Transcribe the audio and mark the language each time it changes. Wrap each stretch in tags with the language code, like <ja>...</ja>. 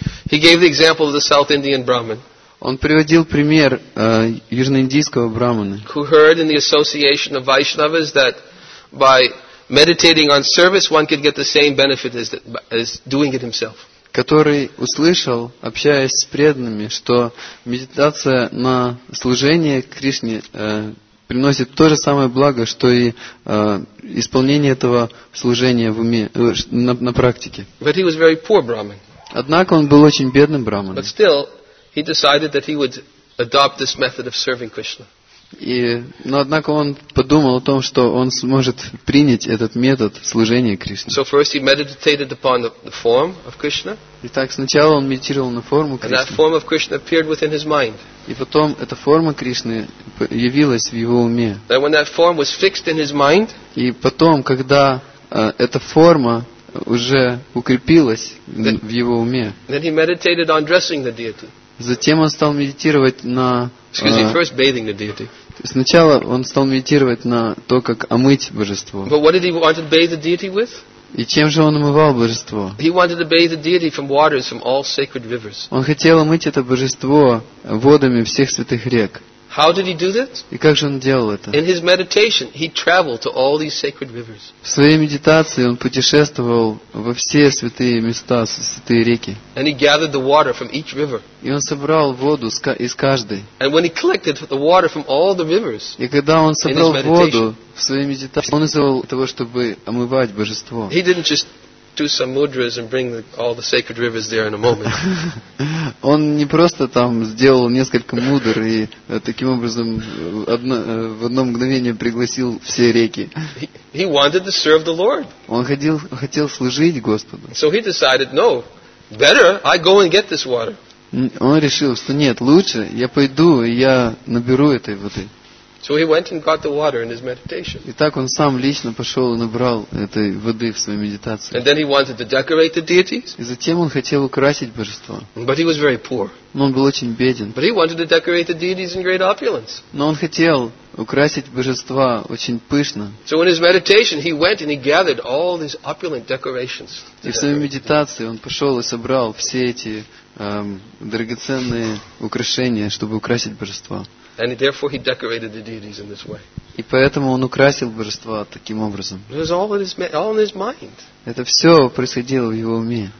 <en>He gave the example of the South Indian Brahmin.</en> <ru>Он приводил пример южноиндийского брахмана.</ru> <en>Who heard in the association of Vaishnavas that by meditating on service one could get the same benefit as doing it himself.</en> <ru>Который услышал, общаясь с преданными, что медитация на служение Кришне приносит то же самое благо, что и исполнение этого служения в уме, на практике.</ru> <en>But he was very poor brahmin.</en> <ru>Однако он был очень бедным брахманом.</ru> <en>But still, he decided that he would adopt this method of serving Krishna.</en> <ru>Однако он подумал о том, что он сможет принять этот метод служения Кришне.</ru> <en>So first he meditated upon the form of Krishna.</en> <ru>Итак, сначала он медитировал на форму Кришны.</ru> <en>And that form of Krishna appeared within his mind.</en> <ru>И потом эта форма Кришны явилась в его уме.</ru> <en>And when that form was fixed in his mind.</en> <ru>И потом, когда эта форма уже укрепилась в его уме.</ru> <en>Then he meditated on dressing the deity.</en> <ru>Затем он стал медитировать на.</ru> <en>First bathing the deity.</en> <ru>Сначала он стал медитировать на то, как омыть божество.</ru> <en>But what did he want to bathe the deity with?</en> <ru>И чем же он омывал божество?</ru> <en>He wanted to bathe the deity from waters from all sacred rivers.</en> <ru>Он хотел омыть это божество водами всех святых рек.</ru> <en>How did he do that?</en> <ru>И как же он делал это?</ru> <en>In his meditation, he traveled to all these sacred rivers.</en> <ru>В своей медитации он путешествовал во все святые места, святые реки.</ru> <en>And he gathered the water from each river.</en> <ru>И он собрал воду из каждой.</ru> <en>And when he collected the water from all the rivers.</en> <ru>И когда он собрал воду в своей медитации, он использовал для того, чтобы омывать божество.</ru> <en>He didn't just do some mudras and bring all the sacred rivers there in a moment.</en> <ru>Он не просто там сделал несколько мудр и таким образом в одно мгновение пригласил все реки.</ru> <en>He wanted to serve the Lord.</en> <ru>Он хотел служить Господу.</ru> <en>So he decided, no, better I go and get this water.</en> <ru>Он решил, что нет, лучше я пойду и я наберу этой воды.</ru> <en>So he went and got the water in his meditation.</en> <ru>И так он сам лично пошел и набрал этой воды в своей медитации.</ru> <en>And then he wanted to decorate the deities.</en> <ru>И затем он хотел украсить божество.</ru> <en>But he was very poor.</en> <ru>Но он был очень беден.</ru> <en>But he wanted to decorate the deities in great opulence.</en> <ru>Но он хотел украсить божества очень пышно.</ru> <en>So in his meditation he went and he gathered all these opulent decorations.</en> <ru>И в своей медитации он пошел и собрал все эти драгоценные украшения, чтобы украсить божество.</ru> <en>And therefore he decorated the deities in this way.</en> <ru>И поэтому он украсил божества таким образом.</ru> <en>It was all in his mind.</en> <ru>Это все происходило в его уме.</ru>